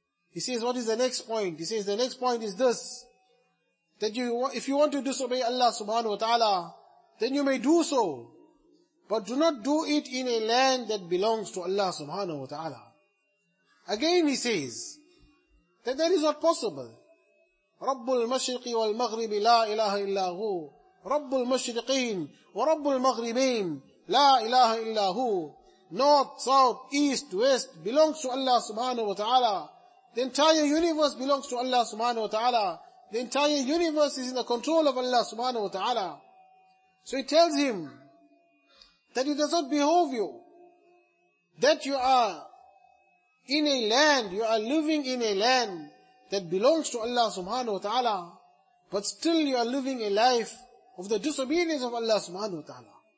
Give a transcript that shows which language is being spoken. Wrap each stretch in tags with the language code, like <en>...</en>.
<en>He says, what is the next point? He says, the next point is this. That you, if you want to disobey Allah subhanahu wa ta'ala, then you may do so. But do not do it in a land that belongs to Allah subhanahu wa ta'ala. Again he says, that is not possible.</en> <ar>رَبُّ الْمَشْرِقِ وَالْمَغْرِبِ لَا إِلَهَ إِلَّا هُ رَبُّ الْمَشْرِقِينَ وَرَبُّ الْمَغْرِبِينَ لَا إِلَهَ إِلَّا هُ</ar> <en>North, south, east, west belongs to Allah subhanahu wa ta'ala. The entire universe belongs to Allah subhanahu wa ta'ala. The entire universe is in the control of Allah subhanahu wa ta'ala. So he tells him that it does not behove you that you are in a land, you are living in a land that belongs to Allah subhanahu wa ta'ala, but still you are living a life of the disobedience of Allah subhanahu wa ta'ala.</en>